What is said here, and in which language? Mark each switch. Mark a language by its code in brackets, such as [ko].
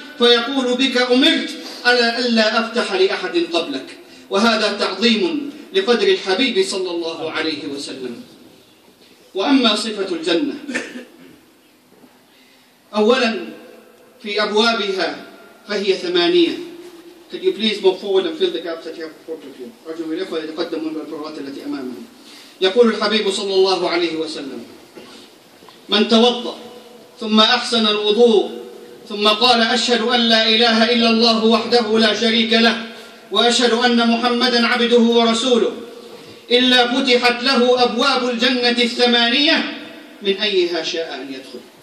[ar] فيقول: بك أمرت، ألا ألا أفتح لأحد قبلك. وهذا تعظيم لقدر الحبيب صلى الله عليه وسلم. وأما صفة الجنة، أولا في أبوابها فهي 8. [en] Could you please move forward and fill the gaps that you have in front of you. [ar] أرجو من الإخوة يتقدموا من الفروقات التي أمامنا. يقول الحبيب صلى الله عليه وسلم: من توضأ ثم أحسن الوضوء ثم قال: أشهد أن لا إله إلا الله وحده لا شريك له، وأشهد أن محمدًا عبده ورسوله، إلا فتحت له أبواب الجنة 8 من أيها شاء أن يدخل.